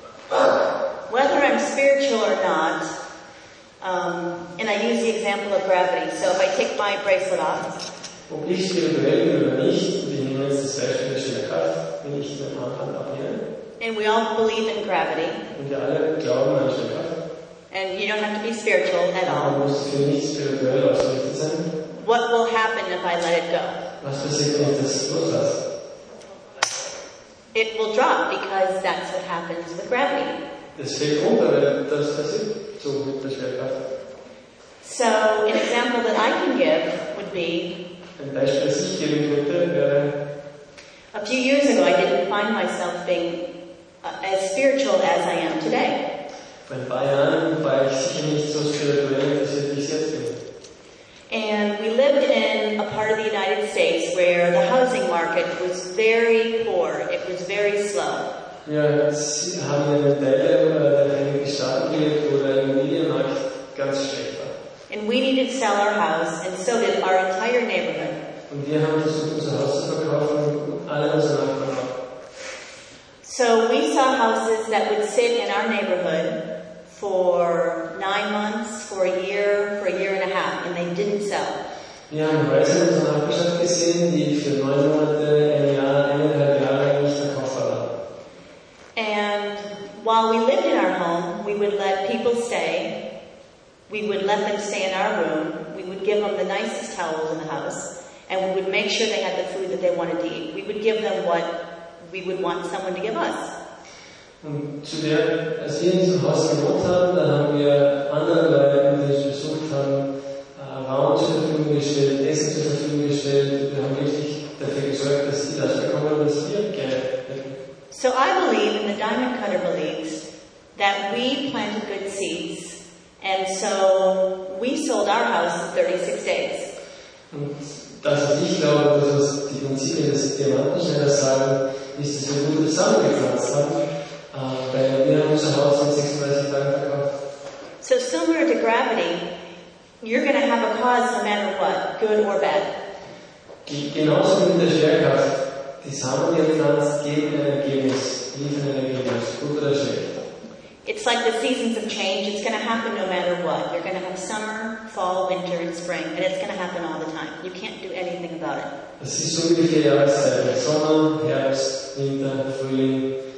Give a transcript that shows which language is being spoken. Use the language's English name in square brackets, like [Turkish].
[English] So, whether I'm spiritual or not, and I use the example of gravity. So, if I take my bracelet off, [German] ob ich spirituell bin oder nicht, wir nehmen jetzt das Beispiel der Schwerkraft, wenn ich den Arm abnehme. [English] And we all believe in gravity. [German] Und wir alle glauben an Schwerkraft. [English] And you don't have to be spiritual at all. [German] Man muss für nicht spirituell ausgerichtet sein. [English] What will happen if I let it go? [German] Was passiert, wenn ich das loslasse? [English] It will drop because that's what happens with gravity. [German] Es fällt runter, weil das passiert so mit der Schwerkraft. [English] So an example that I can give would be. [German] Ein Beispiel, das ich geben könnte, wäre. [English] A few years ago, I didn't find myself being as spiritual as I am today. [German] Vor ein paar Jahren war ich sicher nicht so spirituell interessiert wie jetzt bin. [English] And we lived in a part of the United States where the housing market was very poor. It was very slow. [German] Ja, sie haben in der Staaten wo der Immobilienmarkt ganz schlecht war. [English] And we needed to sell our house, and so did our entire neighborhood. [German] Und wir haben versucht, unser Haus zu verkaufen, alle unsere Nachbarn auch. [English] So we saw houses that would sit in our neighborhood for 9 months, for a year and a half, and they didn't sell. [German] Wir haben Häuser in unserer Nachbarschaft gesehen, die für 9 Monate, ein Jahr, eineinhalb Jahre nicht verkauft waren. [English] And while we lived in our home, we would let people stay. We would let them stay in our room. We would give them the nicest towels in the house. And we would make sure they had the food that they wanted to eat. We would give them what we would want someone to give us. [German] Und zu der, als wir in diesem Haus gewohnt haben, da haben wir anderen Leuten, die uns besucht haben, Raum zur Verfügung gestellt, Essen zur Verfügung gestellt. Wir haben wirklich dafür gesorgt, dass sie das bekommen, was wir gerne hätten. [English] So I believe, and the diamond cutter believes, that we planted good seeds. And so we sold our house in 36 days. [German] Und das, was ich glaube, das, was die Prinzipien des Diamantenschneiders sagen, ist, dass wir gute Samen gepflanzt haben, weil wir haben unser Haus in 36 Tagen verkauft. [English] So similar to gravity, you're going to have a cause no matter what, good or bad. [German] Genauso wie mit der Schwerkraft, die Samen, die gepflanzt, geben ein Ergebnis, liefern ein Ergebnis, gut oder schlecht. [English] It's like the seasons of change. It's going to happen no matter what. You're going to have summer, fall, winter, and spring, and it's going to happen all the time. You can't do anything about it. [German] Es ist so wie die Jahreszeiten: Sommer, Herbst, Winter, Frühling.